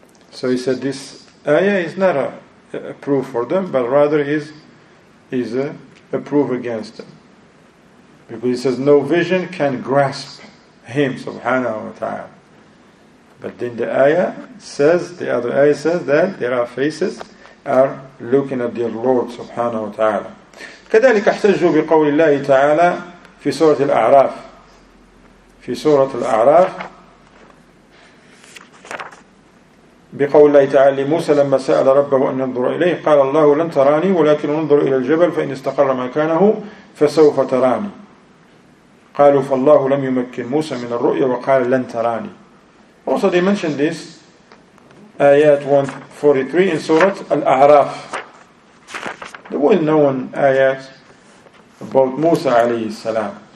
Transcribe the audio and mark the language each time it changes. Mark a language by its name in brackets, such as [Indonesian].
[English] So he said this ayah is not a proof for them, but rather is a proof against them. Because he says no vision can grasp Him subhanahu wa ta'ala. But then the ayah says, the other ayah says that there are faces are looking at their Lord subhanahu wa ta'ala. [Arabic] كذلك احتجوا بقول الله تعالى في سورة الأعراف. في سورة الأعراف بقول الله تعالى لموسى لما سأل ربه أن ينظر إليه قال الله لن تراني ولكن انظر إلى الجبل فإن استقر مكانه فسوف تراني قالوا فالله لم يمكن موسى من الرؤيا وقال لن تراني. [English] Also they mentioned this ayat 143 in Surah Al-A'raf, the well known ayat about Musa عليه السلام.